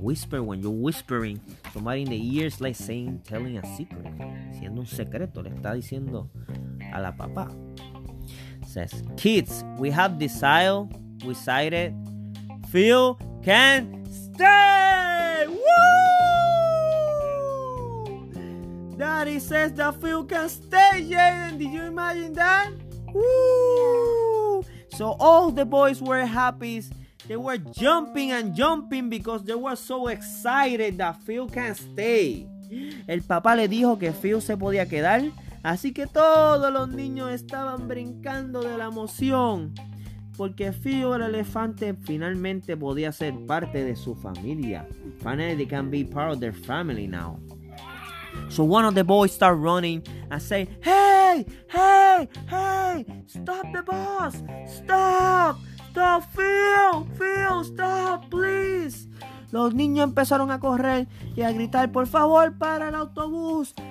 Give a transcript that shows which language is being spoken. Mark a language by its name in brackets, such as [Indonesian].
[English] Whisper, when you're whispering, somebody in the ear is like saying, telling a secret. [Spanish] Siendo un secreto, le está diciendo a la papá. [English] Says, kids, we have decided. Phil can stay! Woo! Daddy says that Phil can stay, Jaden. Did you imagine that? Woo! So all the boys were happy. They were jumping and jumping because they were so excited that Phil can stay. [Spanish] El papá le dijo que Phil se podía quedar. Así que todos los niños estaban brincando de la emoción. Porque Phil, el elefante, finalmente podía ser parte de su familia. [English] Finally, they can be part of their family now. So one of the boys start running and say, Hey, stop the bus. Stop, Phil, stop, please. [Spanish] Los niños empezaron a correr y a gritar, por favor, para el autobús.